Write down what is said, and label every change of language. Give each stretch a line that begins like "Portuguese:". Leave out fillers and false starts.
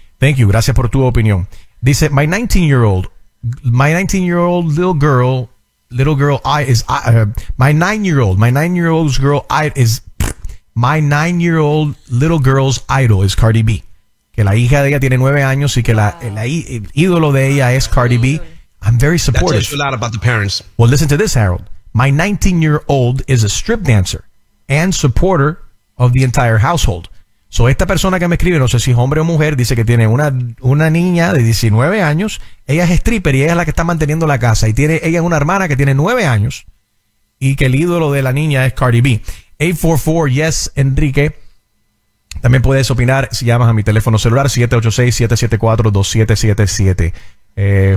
English: Thank you,
Spanish: gracias por tu opinión.
English: Dice, my nine-year-old little girl's idol is Cardi B.
Spanish: Que la hija de ella tiene 9 años y que el ídolo de ella es Cardi B.
English: I'm very supportive. That tells you a lot about the parents. Well, listen to this, Harold. My 19-year-old is a strip dancer and supporter of the entire household.
Spanish: So esta persona que me escribe, no sé si es hombre o mujer, dice que tiene una niña de 19 años. Ella es stripper y ella es la que está manteniendo la casa. Y tiene ella una hermana que tiene 9 años y que el ídolo de la niña es Cardi B. 844-YES, Enrique. También puedes opinar si llamas a mi teléfono celular 786-774-2777.